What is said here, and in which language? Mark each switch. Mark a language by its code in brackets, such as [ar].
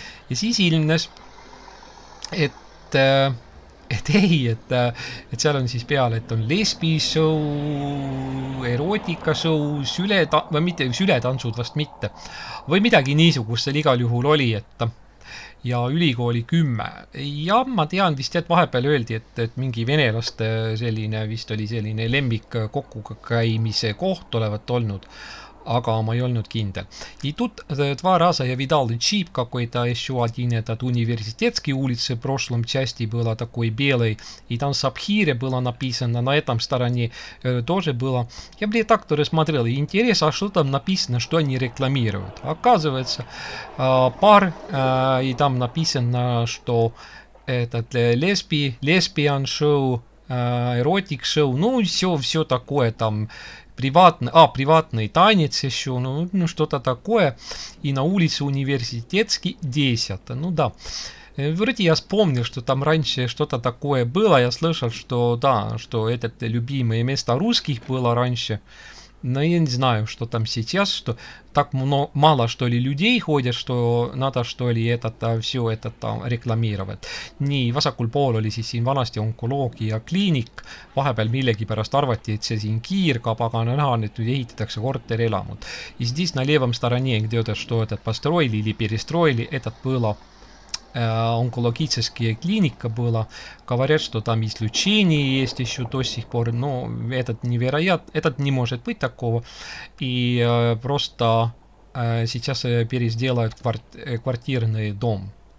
[et] Ja siis ilmnes, et seal on siis peale, et on lesbi show, erootika show, sületantsud vast mitte. Või midagi niisugust seal igal juhul oli, et ja ülikooli 10. Ja ma tean vist, et vahepeal öeldi, et mingi venelaste selline vist oli selline lemmik kokku käimise koht olevat olnud. Aga ma ei olnud kindel. [ru] И тут два раза я видал чип какой-то еще один этот университетский улицы в прошлом части было такой белый. И там сапхире было написано, на этом стороне тоже было. Я бы так тоже смотрел. Интерес, а что там написано, что они рекламируют? Оказывается, пар, и там написано, что этот [en] lesbian show, erotic show, [ru] ну все такое там. Приватный танец еще, ну что-то такое. И на улице Университетский 10. Ну да. Вроде я вспомнил, что там раньше что-то такое было. Я слышал, что да, что это любимое место русских было раньше. Но я не знаю, что там сейчас, что так много, мало что ли людей ходят, что надо что ли это все это там рекламировать. [et] Не, vasakul pool oli siis siin vanasti onkoloogia kliinik, vahepeal millegi pärast arvati, et see siin kiirgab, aga on näha, et nüüd ehitatakse korter elamud. [ru] И здесь на левом стороне, где вот что это построили или перестроили, этот было онкологическая клиника была. Говорят, что там излучение есть еще до сих пор, но этот невероятно, этот не может быть такого. И просто сейчас пересделают квартирный дом.